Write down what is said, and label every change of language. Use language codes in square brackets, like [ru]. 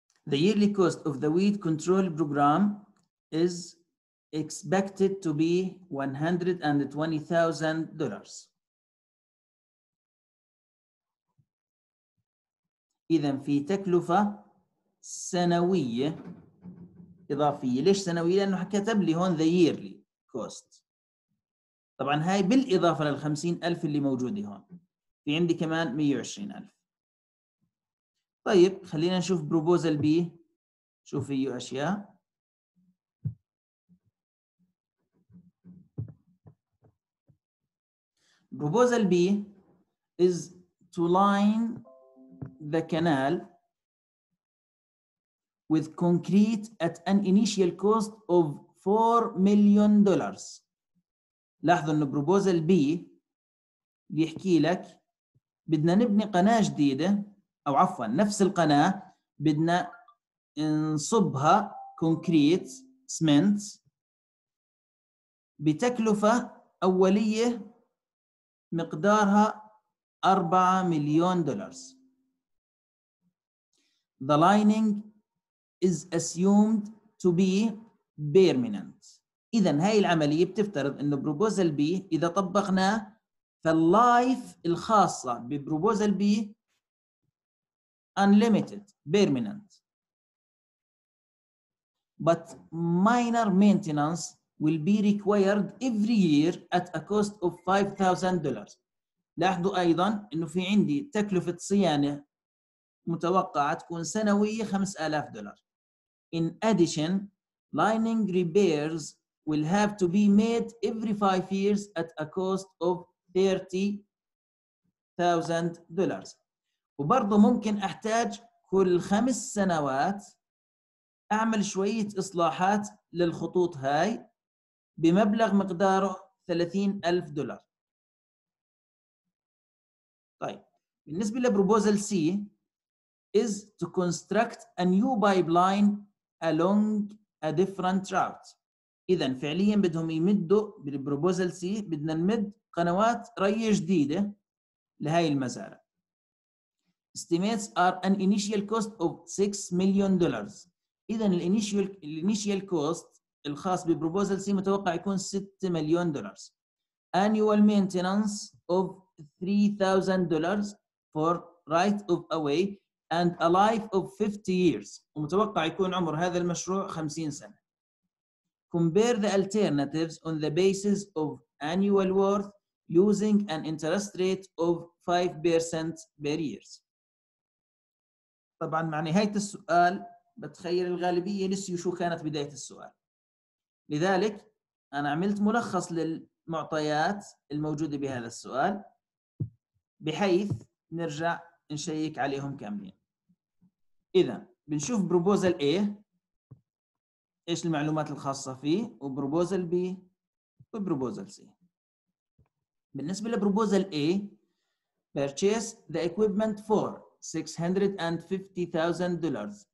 [en] The yearly cost of the weed control program is expected to be $120,000. [ar] إذن في تكلفة سنوية إضافية. ليش سنوية؟ لأنه كتب لي هون [en] the yearly cost. [ar] طبعاً هاي بالإضافة للخمسين ألف اللي موجودة هون. في عندي كمان 120,000. طيب خلينا نشوف بروبوزل بي. شوف فيه أشياء. [en] Proposal B is to line the canal with concrete at an initial cost of $4 million. [ar] لاحظوا إنه بروبوزل بي بيحكي لك بدنا نبني قناة جديدة أو عفوا نفس القناة بدنا نصبها كونكريت سمنت بتكلفة أولية مقدارها $4 million. [en] The lining is assumed to be permanent. [ar] إذا هاي العملية بتفترض إنه بروبوزل بي إذا طبقناه فاللايف الخاصة ببروبوزل بي [en] unlimited, permanent. But minor maintenance will be required every year at a cost of $5,000. [ar] لاحظوا أيضا إنه في عندي تكلفة صيانة متوقعة تكون سنوية $5,000. [en] In addition, lining repairs will have to be made every 5 years at a cost of $30,000. [ar] وبرضه ممكن أحتاج كل 5 سنوات أعمل شوية إصلاحات للخطوط هاي بمبلغ مقداره $30,000. طيب بالنسبة لبروبوزل سي [en] is to construct a new pipeline along a different route. [ar] إذن فعلياً بدهم يمدوا بالبروبوزل سي بدنا نمد قنوات ري جديدة لهاي المزارع. [en] Estimates are an initial cost of $6 million. [ar] إذن الانيشيال كوست الخاص ببروبوزل سي متوقع يكون $6 million. [en] Annual maintenance of $3,000 for right of away and a life of 50 years. [ar] ومتوقع يكون عمر هذا المشروع 50 سنة. [en] Compare the alternatives on the basis of annual worth using an interest rate of 5% per year. [ar] طبعا مع نهاية السؤال بتخيل الغالبية نسيوا شو كانت بداية السؤال. لذلك أنا عملت ملخص للمعطيات الموجودة بهذا السؤال بحيث نرجع نشيك عليهم كاملين. إذا بنشوف بروبوزل A إيش المعلومات الخاصة فيه وبروبوزل B وبروبوزل C. بالنسبة لبروبوزل [en] A purchase the equipment for $650,000.